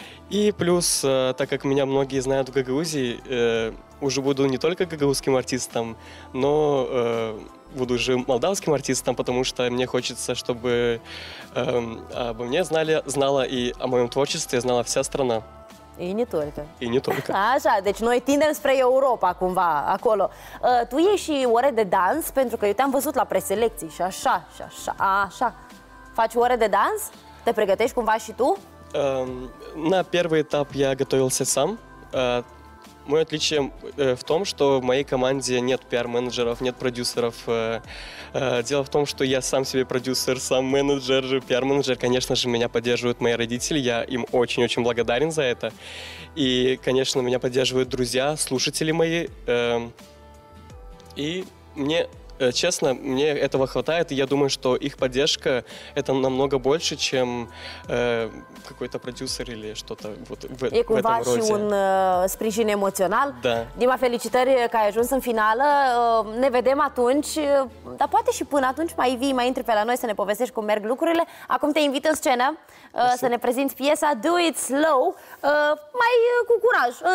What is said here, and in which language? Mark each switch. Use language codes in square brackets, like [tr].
[ru] И плюс, так как меня многие знают в Гагаузии, уже буду не только гагаузским артистом, но буду уже молдавским артистом, потому что мне хочется, чтобы обо мне знала и о моем творчестве знала вся страна. И не только. И не только. [ro] Așa, deci noi tindem spre Europa, cumva, acolo. Tu iei și ore de dans, pentru că eu te-am văzut la preselecții și așa, și așa, așa. Faci ore de dans? Te pregătești cumva și tu? [ru] На первый этап я готовился сам. Мое отличие в том, что в моей команде нет пиар-менеджеров, нет продюсеров. Дело в том, что я сам себе продюсер, сам менеджер, пиар-менеджер. Конечно же, меня поддерживают мои родители, я им очень-очень благодарен за это. И, конечно, меня поддерживают друзья, слушатели мои. И мне, честно, мне этого хватает, и я думаю, что их поддержка – это намного больше, чем какой-то продюсер или что-то вот в этом роде. [ro] E cumva și un sprijin emoțional. Da. Dima, felicitări că ai ajuns în finală. Ne vedem atunci, dar poate și până atunci mai vii, mai intri pe la noi să ne povestești cum merg lucrurile. Acum te invit în scenă să ne prezinți piesa Do It Slow, mai cu curaj.